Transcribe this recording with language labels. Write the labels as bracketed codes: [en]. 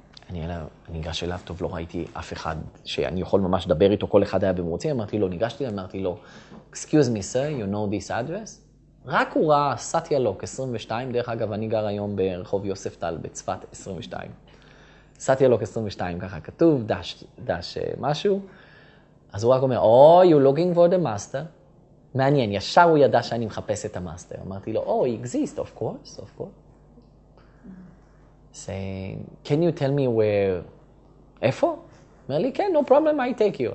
[he] אני ניגש אליו, טוב, לא ראיתי אף אחד שאני יכול ממש לדבר איתו, כל אחד היה במרוצים, אמרתי לו, ניגשתי, אמרתי לו, [en] Excuse me, sir, you know this address? [he] רק הוא ראה, סטיה לוק, 22, דרך אגב, אני גר היום ברחוב יוספטל, בצפת 22. סטיה לוק 22, ככה כתוב, דש משהו. אז הוא רק אומר, [en] Oh, you're looking for the master. [he] מעניין, ישר הוא ידע שאני מחפש את המאסטר. אמרתי לו, [en] Oh, he exists, of course, of course. Say, can you tell me where, איפה? [he] אומר לי, כן, [en] no problem, I take you.